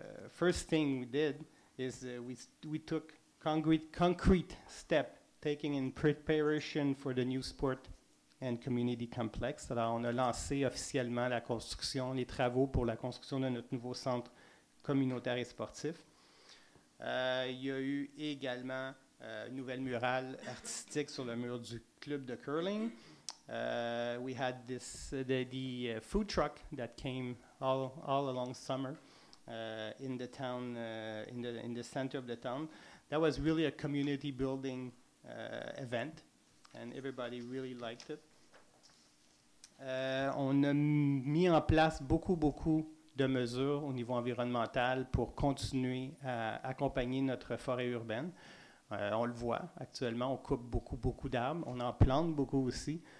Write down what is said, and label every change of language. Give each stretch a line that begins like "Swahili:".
English: First thing we did is we took concrete step taking in preparation for the new sport and community complex.
French: Alors, on a lancé officiellement la construction, les travaux pour la construction de notre nouveau centre communautaire et sportif. Il y a eu également une nouvelle murale artistique sur le mur du club de curling.
English: We had this the food truck that came all along summer in the town in the center of the town. That was really a community building event, and everybody really liked it.
French: On a mis en place beaucoup de mesures au niveau environnemental pour continuer à accompagner notre forêt urbaine. On le voit actuellement, on coupe beaucoup d'arbres, on en plante beaucoup aussi.